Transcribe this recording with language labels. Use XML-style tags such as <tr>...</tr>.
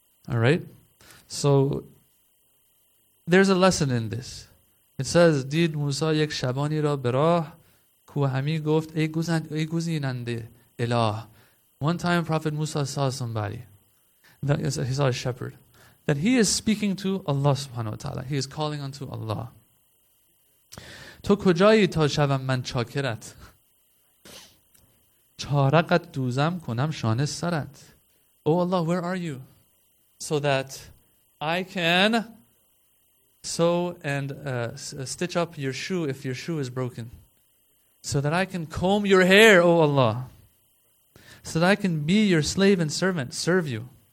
<en>All right? So there's a lesson in this. It says,</en> <fa>Did Musa yek shabani ra birah ku hami goft ay guzinande ilah.</fa> <en>One time Prophet Musa saw somebody. He saw a shepherd. That he is speaking to Allah subhanahu wa ta'ala. He is calling unto Allah.</en> <fa>تو کجایی تا شوم من چاکرت چارقت دوزم کنم شانه سرت.</fa> <en>Oh Allah, where are you? So that I can sew and stitch up your shoe if your shoe is broken. So that I can comb your hair, oh Allah. So that I can be your slave and servant, serve you.</en>